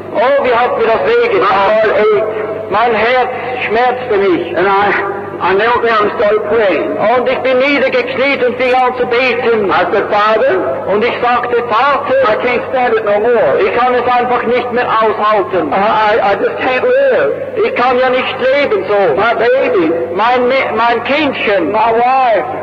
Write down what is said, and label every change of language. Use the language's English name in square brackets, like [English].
[German] Oh, wie hat mir das weh getan? Mein Herz schmerzte mich. [English] And I knelt down and started praying. [German] Und ich bin niedergekniet und fing an zu beten. [English] I said, Father. [German] Und ich sagte, Vater. [English] I can't stand it no more. [German] Ich kann es einfach nicht mehr aushalten. [English] I just can't live. [German] Ich kann ja nicht leben so. [English] My baby. [German] Mein Kindchen. [English] My wife.